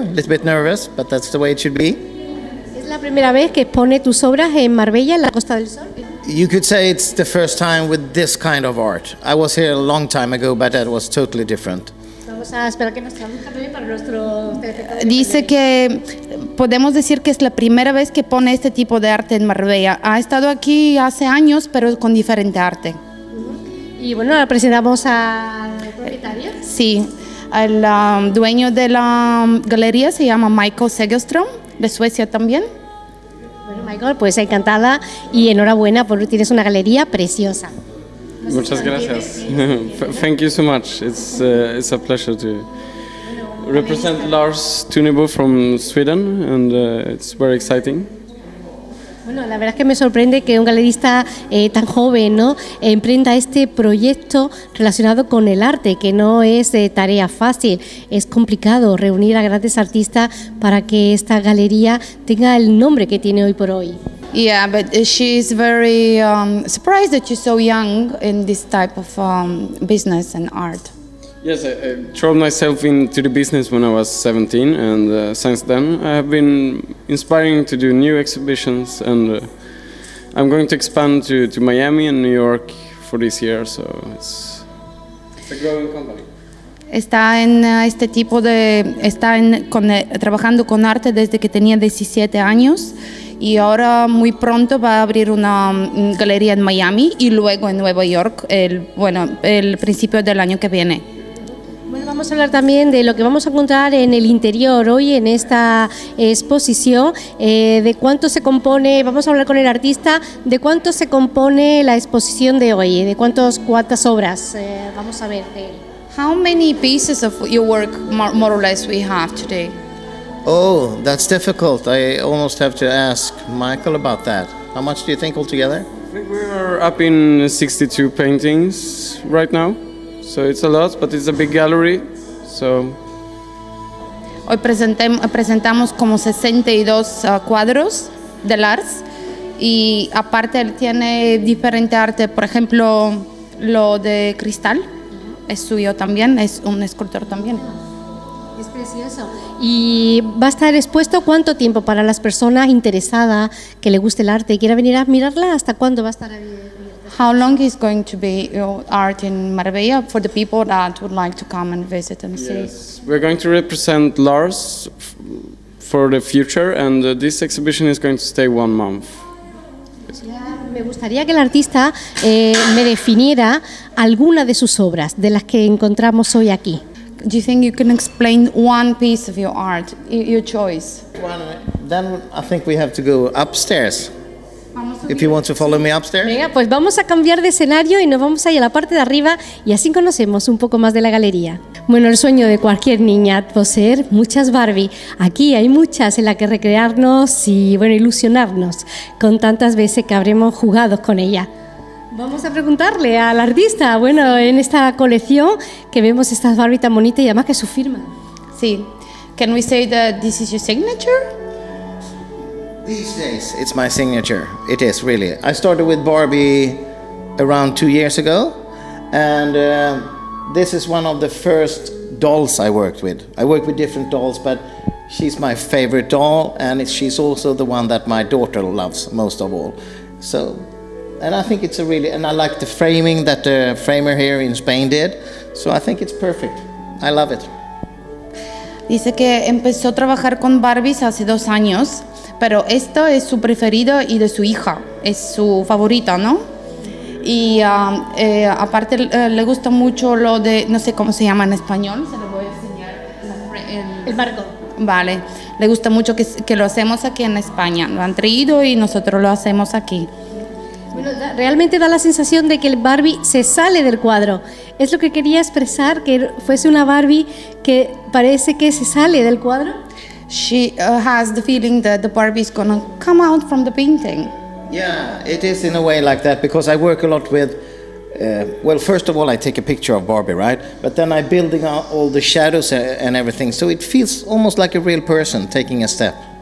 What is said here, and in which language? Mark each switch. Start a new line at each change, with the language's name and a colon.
English: A little bit nervous, but that's the way it should be.
Spanish: ¿Es la primera vez que expone tus obras en Marbella, en la Costa del Sol?
English: You could say it's the first time with this kind of art. I was here a long time ago, but that was totally different.
Spanish: Vamos a esperar que nos traduzca también para nuestro... Dice que podemos decir que es la primera vez que pone este tipo de arte en Marbella. Ha estado aquí hace años, pero con diferente arte. Y bueno, la presentamos al propietario. Sí. El dueño de la galería se llama Michael Segelström, de Suecia también. Bueno, Michael, pues encantada y enhorabuena porque tienes una galería preciosa. No Muchas gracias.
English: Thank you so much. It's a pleasure to represent Lars Tunebo from Sweden and it's very exciting.
Spanish: Bueno, la verdad es que me sorprende que un galerista tan joven, ¿no?, emprenda este proyecto relacionado con el arte, que no es tarea fácil. Es complicado reunir a grandes artistas para que esta galería tenga el nombre que tiene hoy por hoy.
English: Yeah, but she's very surprised that you're so young in this type of business and art. Yes, I thrown myself into the business when I was 17, and since then I have been inspiring to do new exhibitions, and I'm going to expand to Miami and New York for this year, so it's a growing company.
Spanish: Está en este tipo de está en con, trabajando con arte desde que tenía 17 años y ahora muy pronto va a abrir una galería en Miami y luego en Nueva York el principio del año que viene. Bueno, vamos a hablar también de lo que vamos a encontrar en el interior hoy en esta exposición, de cuánto se compone, vamos a hablar con el artista, de cuánto se compone la exposición de hoy, de cuántas obras vamos a ver de él.
English: How many pieces of your work more or less we have today? Oh, that's difficult. I almost have to ask Michael about that. How much do you think altogether? I think we are up in 62 paintings right now. So it's a lot, but it's a big gallery, so...
Spanish: Hoy presentamos como 62 cuadros de Lars, y aparte él tiene diferente arte, por ejemplo, lo de cristal, es suyo también, es un escultor también. Es precioso. ¿Y va a estar expuesto cuánto tiempo para las personas interesadas, que le guste el arte y quiera venir a mirarla? ¿Hasta cuándo va a estar abierto?
English: How long is going to be your art in Marbella for the people that would like to come and visit and see? Yes, we're going to represent Lars for the future, and this exhibition is going to stay 1 month.
Spanish: Me gustaría que el artista me definiera alguna de sus obras, de las que encontramos hoy aquí.
English: Do you think you can explain one piece of your art, your choice? Then I think we have to go upstairs. If you want to follow me upstairs.
Spanish: Venga, pues vamos a cambiar de escenario y nos vamos a ir a la parte de arriba y así conocemos un poco más de la galería. Bueno, el sueño de cualquier niña, poseer muchas Barbie. Aquí hay muchas en las que recrearnos y, bueno, ilusionarnos con tantas veces que habremos jugado con ella. Vamos a preguntarle al artista, bueno, en esta colección que vemos estas Barbie tan bonitas y además que su firma. Sí.
English: Can we say that this is your signature? These days, it's my signature. It is, really. I started with Barbie around 2 years ago, and this is one of the first dolls I worked with. I worked with different dolls, but she's my favorite doll, and she's also the one that my daughter loves most of all. So, and I think it's a really, and I like the framing that the framer here in Spain did, so I think it's perfect. I love it.
Spanish: Dice que empezó a trabajar con Barbies hace 2 años, pero esto es su preferido y de su hija, es su favorita, ¿no? Y aparte le gusta mucho lo de, no sé cómo se llama en español, se lo voy a enseñar. El marco. Vale, le gusta mucho que lo hacemos aquí en España, lo han traído y nosotros lo hacemos aquí. Bueno, realmente da la sensación de que el Barbie se sale del cuadro. ¿Es lo que quería expresar, que fuese una Barbie que parece que se sale del cuadro?
English: She has the feeling that the Barbie is going to come out from the painting. Yeah, it is in a way like that, because I work a lot with, well, first of all, I take a picture of Barbie, right? But then I'm building out all the shadows and everything, so it feels almost like a real person taking a step.